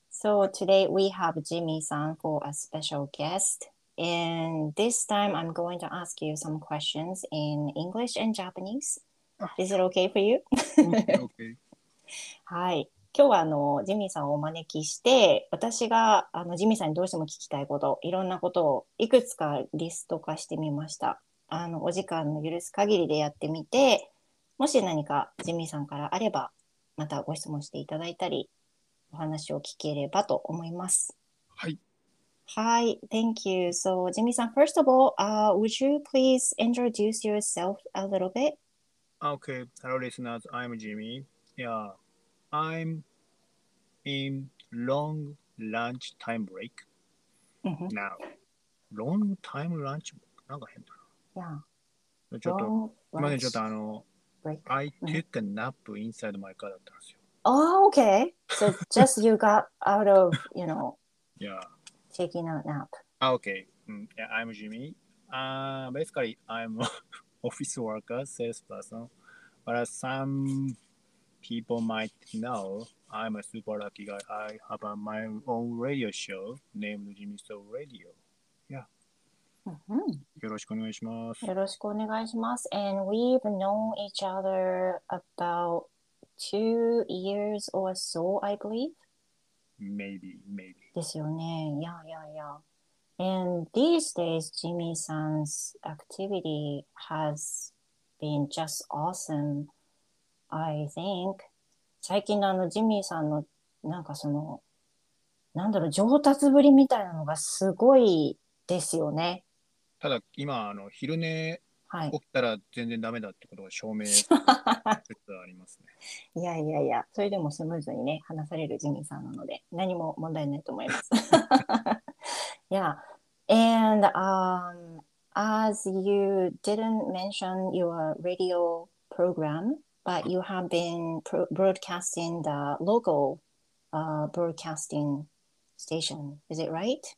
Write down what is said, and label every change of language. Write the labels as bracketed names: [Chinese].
[English] So today we have Jimmy-san for a special guest, and this time I'm going to ask you some questions in English and Japanese. Is it okay for you? Okay. [Japanese] はい。今日はジミーさんをお招きして、私がジミーさんにどうしても聞きたいこと、いろんなことをいくつかリスト化してみました。お時間の許す限りでやってみて、もし何かジミーさんからあれば、またご質問していただいたり、お話を聞ければと思います。はい。 [English] はい。Thank you. So, ジミーさん、first of all, would you please introduce yourself a little bit? Okay, hello listeners, I'm Jimmy. Yeah, I'm in long lunch time break、 mm-hmm. now. Long time lunch? [Japanese] なんか変だな。 [English] Yeah. [Japanese] ちょっと、今ねちょっと [English] break. I took、mm-hmm. a nap inside my car [Japanese] だったんですよ。 [English] Oh, okay. So just you got out of, Yeah. taking a nap. Okay.、Mm, yeah, I'm Jimmy. Basically, I'm... Office worker, salesperson, but as some people might know, I'm a super lucky guy. I have my own radio show named Jimmy So Radio. Yeah. Mm-hmm. [Japanese] よろしくお願いします。よろしくお願いします。 [English] And we've known each other about 2 years or so, I believe. Maybe. [Japanese] ですよね。Yeah. [English] And these days, Jimmy-san's activity has been just awesome, I think. [Japanese] 最近のジミーさんのなんかその、なんだろう、上達ぶりみたいなのがすごいですよね。ただ今、昼寝起きたら全然ダメだってことが証明がありますね。いや、それでもスムーズにね、話されるジミーさんなので、何も問題ないと思います。 [English] Yeah, and as you didn't mention your radio program, but you have been broadcasting the local broadcasting station, is it right?